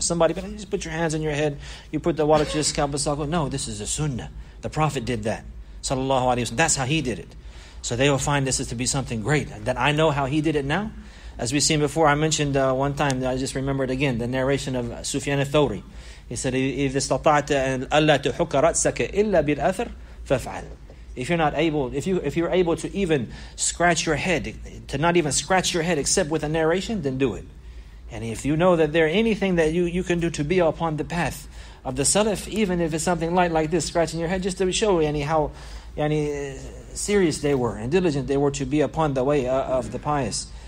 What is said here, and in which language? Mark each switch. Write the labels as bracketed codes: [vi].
[en] Somebody, but just put your hands on your head, you put the water to your scalp, no, this is a sunnah. The Prophet did that, sallallahu alaihi wasallam. That's how he did it. So they will find this is to be something great. That I know how he did it now. As we've seen before, I mentioned one time, I just remembered again, the narration of Sufyan al-Thawri. He said, "If [ar] استطعت ألا تحك رأسك إلا بالأثر فافعل." [en] If you're not able, if you're able to even scratch your head, to not even scratch your head except with a narration, then do it. And if you know that there is anything that you can do to be upon the path of the Salaf, even if it's something light like this, scratching your head, just to show how serious they were and diligent they were to be upon the way of the pious.